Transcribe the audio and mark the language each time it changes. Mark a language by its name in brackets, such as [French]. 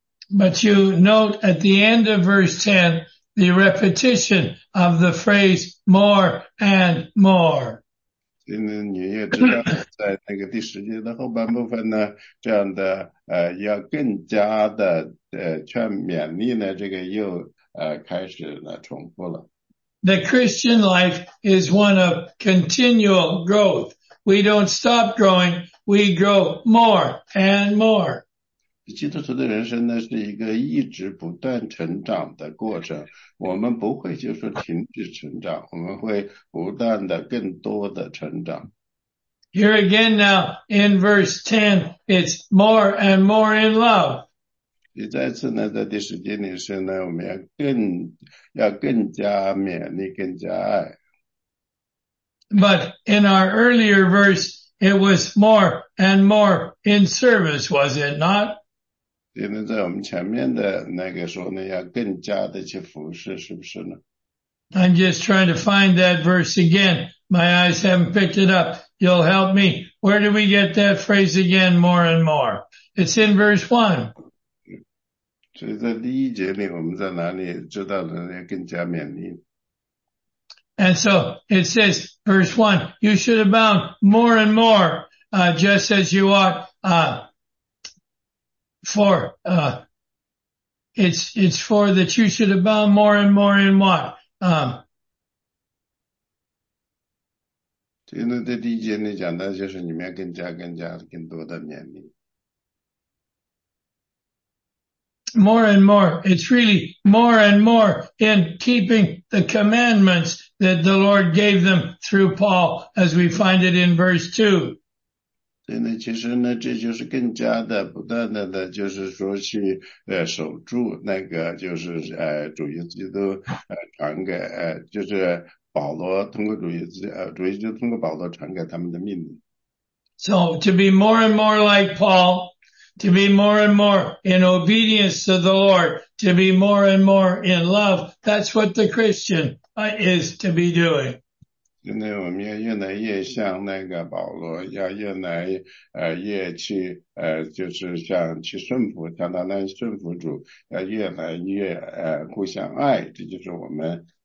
[English] But you note at the end of verse 10, the repetition of the phrase more and more. [Chinese] 今天你也知道，在那个第十节的后半部分呢，这样的要更加的劝勉励呢，这个又开始呢重复了。 [English] The Christian life is one of continual growth. We don't stop growing, we grow more and more. [Chinese] 基督徒的人生呢，是一个一直不断成长的过程。我们不会就说停止成长，我们会不断的更多的成长。 [English] Here again now, in verse 10, it's more and more in love. [Chinese] 你再次呢，在第十节里是呢，我们要更加勉励，更加爱。 [English] But in our earlier verse, it was more and more in service, was it not? [Chinese] 因为在我们前面的那个时候呢，要更加的去服侍，是不是呢？ [English] I'm just trying to find that verse again. My eyes haven't picked it up. You'll help me. Where do we get that phrase again, more and more? It's in verse 1. [Chinese] 所以在第一节里，我们在哪里知道人要更加勉励？ [English] And so it says, verse 1, you should abound more and more, just as you ought, for that you should abound more and more in what? [Chinese] 因为在第一节里讲的就是你们要更加更多的勉励。 [English] More and more, it's really more and more in keeping the commandments that the Lord gave them through Paul, as we find it in verse 2. [Chinese] 所以呢，其实呢，这就是更加的不断的呢，就是说去守住那个就是主耶稣基督传给就是。保罗通过主耶稣通过保罗传给他们的命令。 [English] So, to be more and more like Paul, to be more and more in obedience to the Lord, to be more and more in love, that's what the Christian is to be doing. [Chinese] 现在我们要越来越像那个保罗，要越来越去就是像去顺服，像他那顺服主，要越来越互相爱，这就是我们。